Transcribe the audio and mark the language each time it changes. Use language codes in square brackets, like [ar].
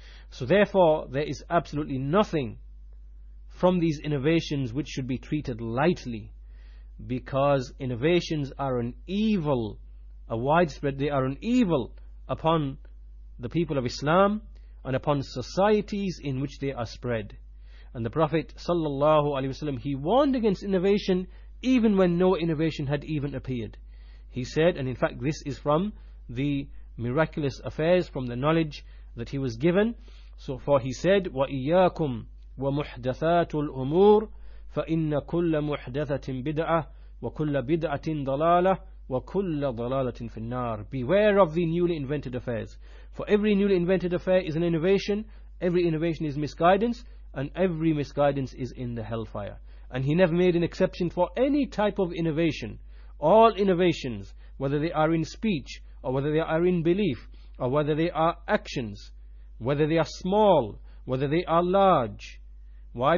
[en] So therefore, there is absolutely nothing from these innovations which should be treated lightly, because innovations are an evil, a widespread, they are an evil upon the people of Islam and upon societies in which they are spread. And the Prophet sallallahu alaihi wasallam, he warned against innovation even when no innovation had even appeared. He said, and in fact this is from the miraculous affairs, from the knowledge that he was given. [ar] So for he said, وَإِيَّاكُمْ وَمُحْدَثَاتُ الْأُمُورِ فَإِنَّ كُلَّ مُحْدَثَةٍ بِدْعَةٍ وَكُلَّ بِدْعَةٍ ضَلَالَةٍ وَكُلَّ ضَلَالَةٍ فِي النَّارِ. [en] Beware of the newly invented affairs. For every newly invented affair is an innovation, every innovation is misguidance, and every misguidance is in the hellfire. And he never made an exception for any type of innovation. All innovations, whether they are in speech, or whether they are in belief, or whether they are actions, whether they are small, whether they are large. Why?